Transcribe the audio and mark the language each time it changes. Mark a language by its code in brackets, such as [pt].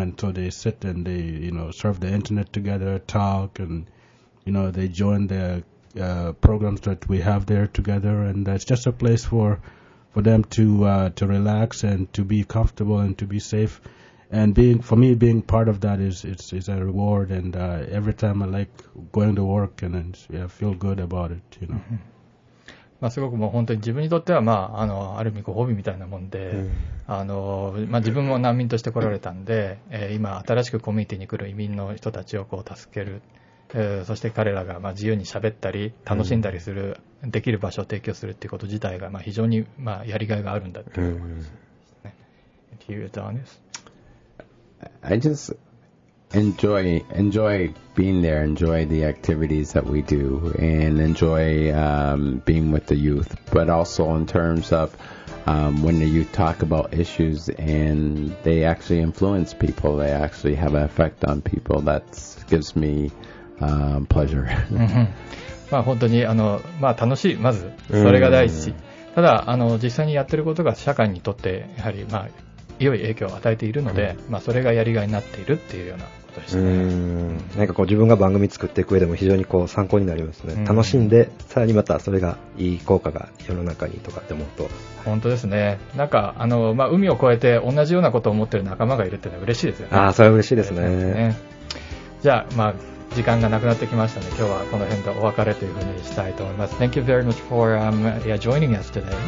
[en] And so they sit and they, you know, surf the internet together, talk, and, you know, they join theprograms that we have there together, and it's just a place for them to relax and to be comfortable and to be safe. And being for me, being part of that is a reward. And every time I like going to work and yeah, feel good about it, you know. [ja] まあすごくもう本当に自分にとってはまあある意味ご褒美みたいなもんで、まあ自分も難民として来られたんで、今新しくコミュニティに来る移民の人たちをこう助ける。そして彼らが自由に喋ったり楽しんだりする、うん、できる場所を提供するということ自体が非常にやりがいがあるんだと思います。 [en] Here is honest. I just enjoy being there, enjoy the activities that we do, and enjoy being with the youth. But also in terms of when the youth talk about issues and they actually influence people, they actually have an effect on people. That gives meme pleasure. [ja] まあ本当に楽しい、まずそれが第一。ただ実際にやってることが社会にとってやはり良い影響を与えているので、それがやりがいになっているっていうようなことでしたね。なんかこう自分が番組作っていく上でも非常にこう参考になりますね。楽しんでさらにまたそれがいい効果が世の中にとかって思うと。本当ですね。なんか海を越えて同じようなことを思ってる仲間がいるってのは嬉しいですよね。ああ、それは嬉しいですね。じゃあ時間がなくなってきましたね。今日はこの辺でお別れというふうにしたいと思います。 [en] Thank you very much for joining us today.